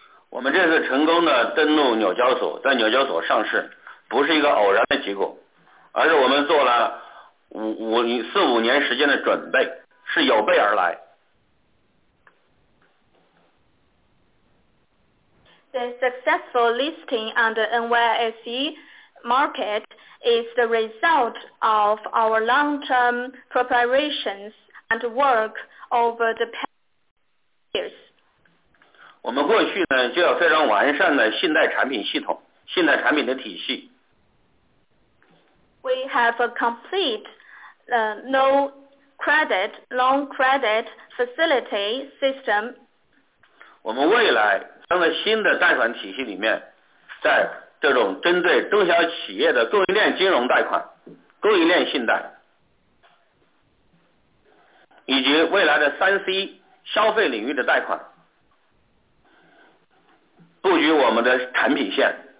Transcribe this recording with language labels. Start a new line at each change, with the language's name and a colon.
Chinese: 我们这次成功的登陆纽交所，在纽交所上市，不是一个偶然的结果，而是我们做了四五年时间的准备，是有备而来。
English: The successful listing on the NYSE market is the result of our long-term preparations and work over the past years.
Chinese: 我们过去呢就要非常完善的信贷产品系统，信贷产品的体系。
English: We have a complete loan credit facility system.
Chinese: 我们未来放在新的贷款体系里面，在这种针对中小企业的供应链金融贷款、供应链信贷，以及未来的3C 消费领域的贷款，布局我们的产品线。